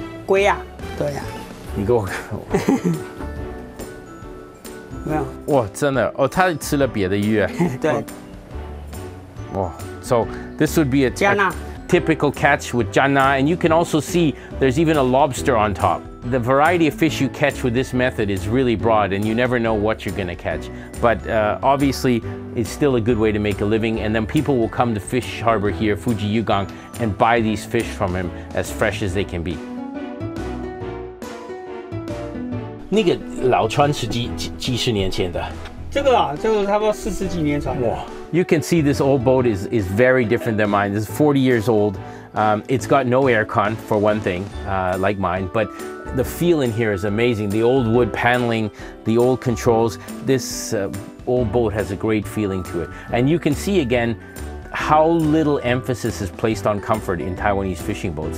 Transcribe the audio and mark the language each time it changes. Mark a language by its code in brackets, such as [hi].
[zh] 就跟我们钓鱼一样。这个方式钓鱼，你几乎可以钓怎么样的鱼？都有。对啊，龙虾也会上来。然后加纳、黑猴。还有龟啊，对啊。你给我看。 没有哇，真的哦，他吃了别的鱼啊。对，哇。 [en] So this would be a typical catch with jana, and you can also see there's even a lobster on top. The variety of fish you catch with this method is really broad, and you never know what you're going to catch. But obviously, it's still a good way to make a living, and then people will come to Fish Harbor here, Fuji Yugang, and buy these fish from him as fresh as they can be. [zh] 那个老船是几十年前的？这个啊，就差不多四十几年船。哇！ [en] You can see this old boat is very different than mine. This is 40 years old. It's got no aircon for one thing, like mine. But the feel in here is amazing. The old wood paneling, the old controls. This old boat has a great feeling to it. And you can see again how little emphasis is placed on comfort in Taiwanese fishing boats.